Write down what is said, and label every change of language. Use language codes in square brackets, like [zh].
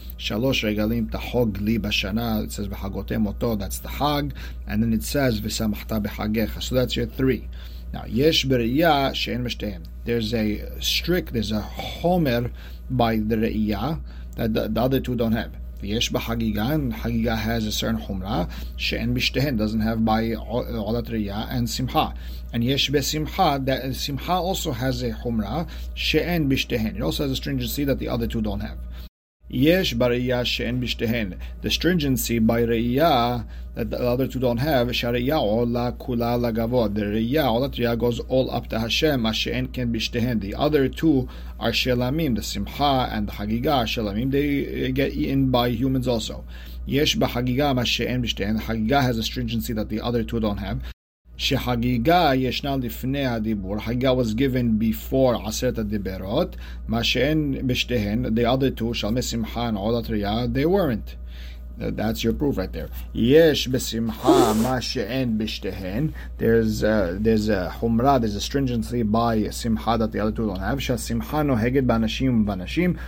[he] Shalosh regalim tahog li b'shana, [en] it says b'hagote moto, that's the hag. And then it says v'samachta b'hagecha, so that's your three. Now, [he] yesh b'Re'ya she'en m'shteim. [en] There's a homer by the Re'ya that the other two don't have. [he] ויש בחגיגה, חגיגה [en] has a certain [he] חומרה, שאין בשתיהן, [en] doesn't have by [he] עולת ראייה, and שמחה. [en] And [he] יש בשמחה, [en] that שמחה also has a חומרה, [he] שאין בשתיהן. [en] It also has a stringency that the other two don't have. [he] יש בראייה שאין בשתיהן. [en] The stringency by ראייה that the other two don't have, [he] שהראייה עולה כולה לגבוה. [en] The ראייה, עולת ראייה goes all up to Hashem, [he] מה שאין כן בשתיהן. [en] The other two are שלמים, the שמחה and the חגיגה, שלמים, they get eaten by humans also. [he] יש בחגיגה מה שאין בשתיהן. [en] חגיגה has a stringency that the other two don't have. [he] שחגיגה ישנה לפני הדיבור. חגיגה [en] was given before [he] עשרת הדיברות. מה שאין בשתיהן, [en] the other two, [he] שלמי שמחה ועולת ראייה, [en] they weren't. That's your proof right there. [he] יש בשמחה מה שאין בשתיהן. [en] There's a חומרה, there's a stringency by שמחה that the other two don't have. [he] שהשמחה נוהגת באנשים ובנשים.